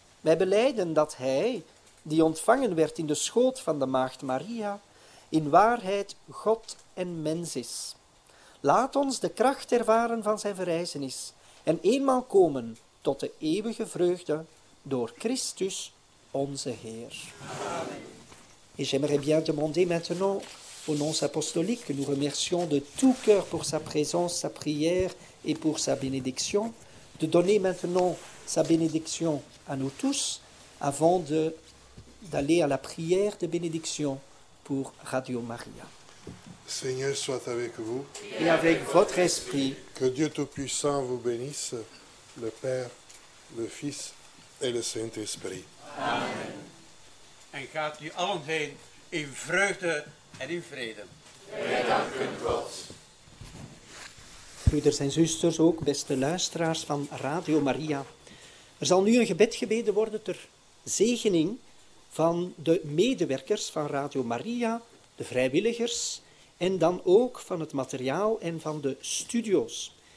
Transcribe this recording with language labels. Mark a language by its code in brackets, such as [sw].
[nl] Wij belijden dat Hij, die ontvangen werd in de schoot van de Maagd Maria, in waarheid God en mens is. Laat ons de kracht ervaren van zijn verrijzenis en eenmaal komen tot de eeuwige vreugde door Christus onze Heer. Amen. [fr] Et j'aimerais bien demander maintenant au nonce apostolique que nous remercions de tout cœur pour sa présence, sa prière et pour sa bénédiction, de donner maintenant sa bénédiction à nous tous avant d'aller à la prière de bénédiction pour Radio Maria. Seigneur soit avec vous. Et avec votre esprit. Que Dieu Tout-Puissant vous bénisse, le Père, le Fils et le Saint-Esprit. Amen. [nl] En gaat u allen heen in vreugde en in vrede. Wij danken God. Broeders en zusters, ook beste luisteraars van Radio Maria. Er zal nu een gebed gebeden worden ter zegening van de medewerkers van Radio Maria, de vrijwilligers en dan ook van het materiaal en van de studio's.